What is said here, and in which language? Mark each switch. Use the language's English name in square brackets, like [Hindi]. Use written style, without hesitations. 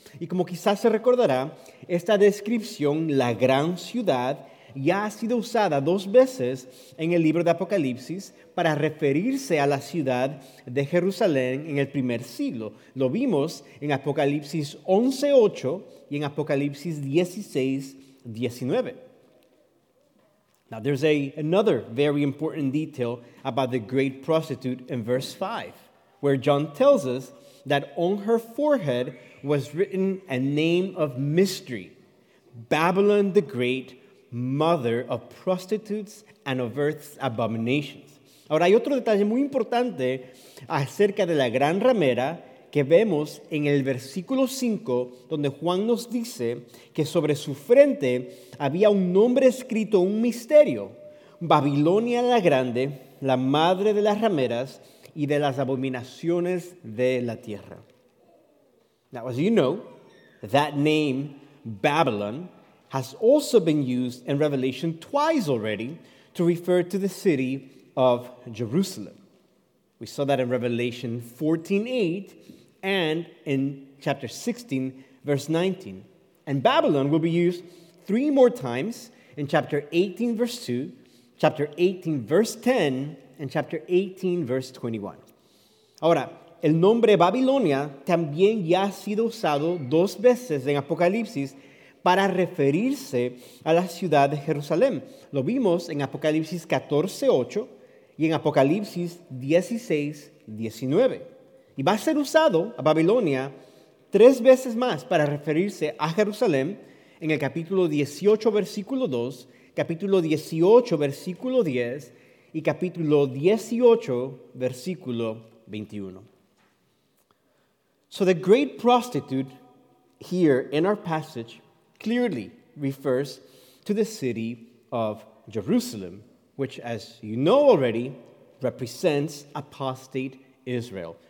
[Spanish] Y como quizás se recordará, esta descripción, la gran ciudad, ya ha sido usada dos veces en el libro de Apocalipsis para referirse a la ciudad de Jerusalén en el primer siglo. Lo vimos en Apocalipsis 11:8 y en Apocalipsis 16:19. [English] Now, there's another very important detail about the great prostitute in verse 5, where John tells us that on her forehead was written a name of mystery, Babylon the Great, mother of prostitutes and of earth's abominations. [Spanish] Ahora, hay otro detalle muy importante acerca de la gran ramera que vemos en el versículo 5, donde Juan nos dice que sobre su frente había un nombre escrito, un misterio: Babilonia la Grande, la madre de las rameras y de las abominaciones de la tierra. [English] Now, as you know, that name, Babylon, has also been used in Revelation twice already to refer to the city of Jerusalem. We saw that in Revelation 14:8 and in chapter 16, verse 19. And Babylon will be used three more times in chapter 18, verse 2, chapter 18, verse 10, and chapter 18, verse 21. [Spanish] Ahora, el nombre Babilonia también ya ha sido usado dos veces en Apocalipsis para referirse a la ciudad de Jerusalén. Lo vimos en Apocalipsis 14:8 y en Apocalipsis 16:19. Y va a ser usado a Babilonia tres veces más para referirse a Jerusalén en el capítulo 18, versículo 2, capítulo 18, versículo 10 y capítulo 18, versículo 21. [English] So the great prostitute here in our passage clearly refers to the city of Jerusalem, which, as you know already, represents apostate Israel.